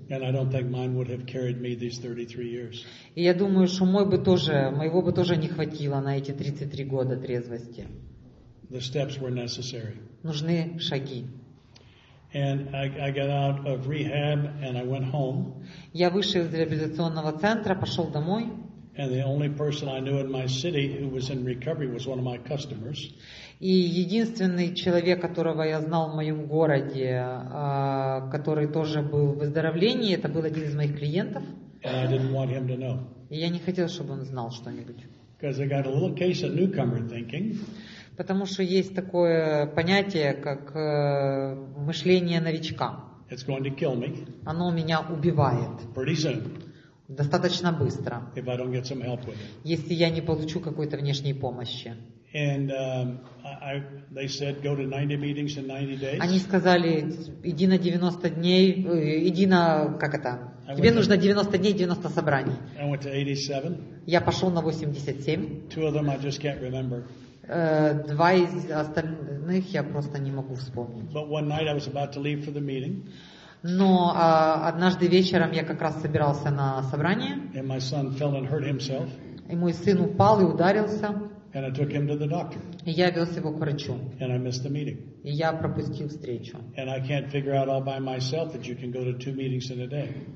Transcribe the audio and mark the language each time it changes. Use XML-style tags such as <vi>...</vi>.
<en>And I don't think mine would have carried me these 33 years.</en> <ru>И я думаю, что моего бы тоже не хватило на эти 33 года трезвости.</ru> <en>The steps were necessary.</en> <ru>Нужны шаги.</ru> <en>And I got out of rehab and I went home.</en> <ru>Я вышел из реабилитационного центра, пошел домой.</ru> <en>And the only person I knew in my city who was in recovery was one of my customers.</en> <ru>И единственный человек, которого я знал в моем городе, который тоже был в выздоровлении, это был один из моих клиентов.</ru> <en>And I didn't want him to know.</en> <ru>И я не хотел, чтобы он знал что-нибудь.</ru> <en>Because I got a little case of newcomer thinking.</en> <ru>Потому что есть такое понятие, как мышление новичка.</ru> <en>It's going to kill me.</en> <ru>Оно меня убивает.</ru> <en>Pretty soon.</en> <ru>Достаточно быстро.</ru> <en>If I don't get some help with it.</en> <ru>Если я не получу какой-то внешней помощи.</ru> <en>And they said go to 90 meetings in 90 days.</en> <ru>Они сказали, иди на 90 дней, иди на, как это? Тебе нужно 90 дней, 90 собраний.</ru> <en>I went to 87.</en> <ru>Я пошел на 87.</ru> <en>Two of them I just can't remember.</en> <ru>Два из остальных я просто не могу вспомнить.</ru> <en>But one night I was about to leave for the meeting.</en> <ru>Но однажды вечером я как раз собирался на собрание.</ru> <en>And my son fell and hurt himself.</en> <ru>И мой сын упал и ударился.</ru> <en>And I took him to the doctor.</en> <ru>Я вез его к врачу.</ru> <en>And I missed the meeting.</en> <ru>И я пропустил встречу.</ru> <en>And I can't figure out all by myself that you can go to two meetings in a day.</en>